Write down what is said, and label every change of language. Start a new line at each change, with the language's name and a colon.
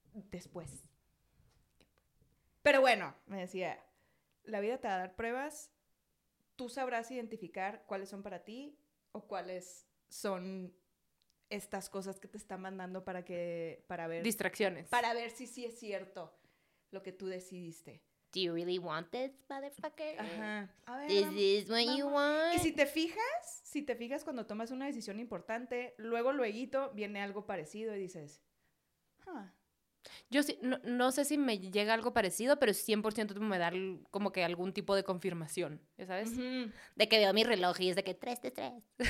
Spanish: Después. Pero bueno, me decía, la vida te va a dar pruebas. Tú sabrás identificar cuáles son para ti. ¿O cuáles son estas cosas que te están mandando para ver... Distracciones. Para ver si sí es cierto lo que tú decidiste.
English: Do you really want this, motherfucker? Ajá.
Spanish: A ver,
English: this is what you want.
Spanish: Y si te fijas cuando tomas una decisión importante, luego viene algo parecido y dices, Yo sí, no sé si me llega algo parecido, pero 100% me da como que algún tipo de confirmación, ¿sabes? Uh-huh. De que veo mi reloj y es de que 3-3.